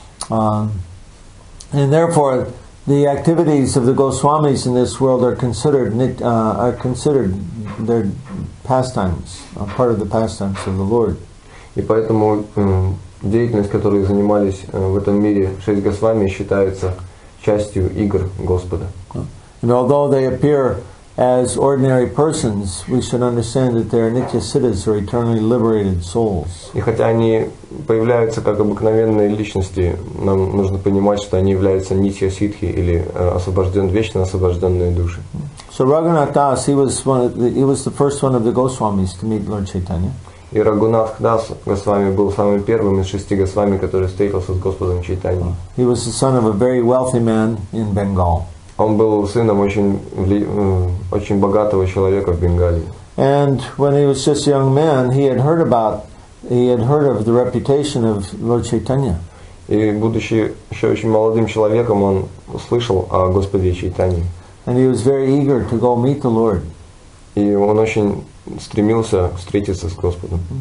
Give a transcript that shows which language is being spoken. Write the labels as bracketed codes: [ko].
[en] And therefore, the activities of the Goswamis in this world are considered their pastimes, a part of the pastimes of the Lord. [ru] И поэтому деятельность, которой занимались в этом мире шесть Госвами, считается частью игр Господа. [en] And although they appear as ordinary persons, we should understand that they are nitya siddhas, or eternally liberated souls. [ru] И хотя они появляются как обыкновенные личности, нам нужно понимать, что они являются нитья сиддхи, или вечно освобожденные души. [en] So Raghunath Das, he was the first one of the Goswamis to meet Lord Chaitanya. [ru] И Рагунат Дас Госвами был самым первым из шести Госвами, который встретился с Господом Чайтаньей. [en] He was the son of a very wealthy man in Bengal. [ru] Он был сыном очень богатого человека в Бенгалии. [en] And when he was just a young man, he had heard of the reputation of Lord Chaitanya. [ru] И будучи еще очень молодым человеком, он слышал о Господе Чайтанье. [en] And he was very eager to go meet the Lord. [ru] И он очень стремился встретиться с Господом.